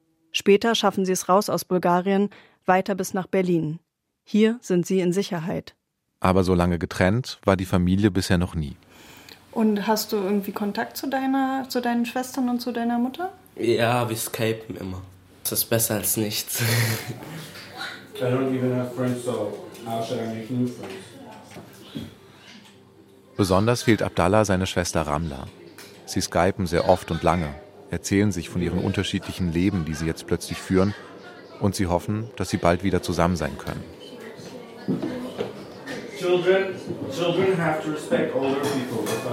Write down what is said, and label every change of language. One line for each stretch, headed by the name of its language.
German: Später schaffen sie es raus aus Bulgarien, weiter bis nach Berlin. Hier sind sie in Sicherheit. Aber so lange getrennt war die Familie bisher noch nie. Und hast du irgendwie Kontakt zu deinen Schwestern und zu deiner Mutter? Ja, wir skypen immer. Das ist besser als nichts.
English: I don't even have friends, so how should I make new friends?
German: Besonders fehlt Abdallah seine Schwester Ramla. Sie skypen sehr oft und lange, erzählen sich von ihren unterschiedlichen Leben, die sie jetzt plötzlich führen, und sie hoffen, dass sie bald wieder zusammen sein können.
English: Children have to respect older people.